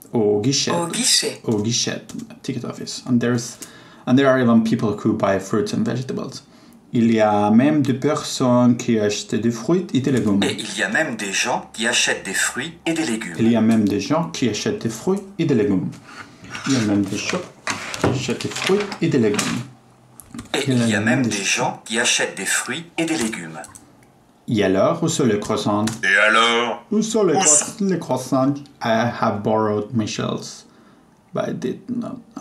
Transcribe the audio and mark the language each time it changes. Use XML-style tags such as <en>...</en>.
<fr>Au guichet,</fr> <en>ticket office. And there are even people who buy fruits and vegetables.</en> <fr>Il y a même des personnes qui achètent des fruits et des légumes. Et il y a même des gens qui achètent des fruits et des légumes. Il y a même des gens qui achètent des fruits et des légumes. Il y a même des gens qui achètent des fruits et des légumes. Et il y a même des gens qui achètent des fruits et des légumes. Et alors, où sont les croissants? Et alors? Où sont les croissants?</fr> <en>I have borrowed Michel's, but I did not.</en>